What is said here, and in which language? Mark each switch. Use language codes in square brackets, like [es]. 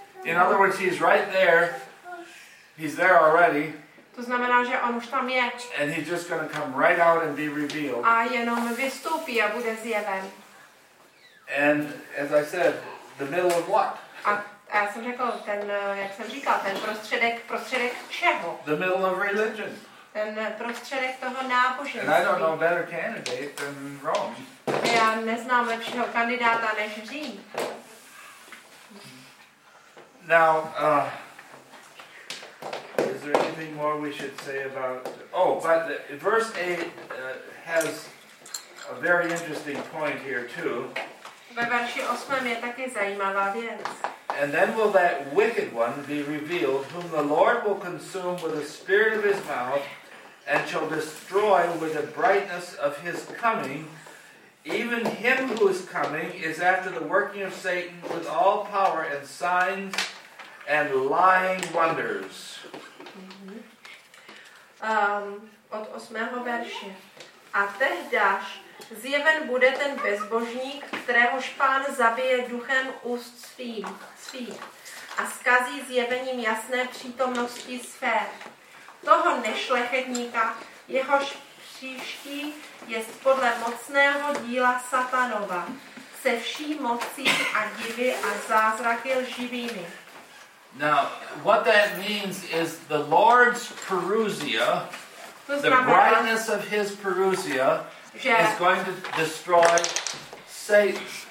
[en] In other words, he's right there. He's there already. [cs] To znamená, že on už tam je. [en] And he's just going to come right out and be revealed. [cs] A jenom vystoupí a bude zjeven. [en] And as I said, the middle of what? [cs] A já jsem řekl, ten, jak jsem říkal, ten prostředek čeho? [en] The middle of religion. [cs] Ten prostředek toho náboženství. [en] And I don't know better candidate than Rome. [cs] Já neznám lepšího kandidáta než Řím. [en] Now, is there anything more we should say about? Oh, but verse 8 has a very interesting point here too. [cs] Ve verši 8 je taky zajímavá věc. [en] And then will that wicked one be revealed, whom the Lord will consume with the spirit of his mouth, and shall destroy with the brightness of his coming, even him whose coming is after the working of Satan with all power and signs and lying wonders. [cs] Od 8. verše. A tehdáž zjeven bude ten bezbožník, kteréhož pán zabije duchem úst svých a zkazí zjevením jasné přítomnosti sfér. Toho nešlechetníka, jehož příští je podle mocného díla Satanova, se vší mocí a divy a zázraky lživými. [en] Now, what that means is the Lord's parousia, the brightness of his parousia, is going to destroy Satan.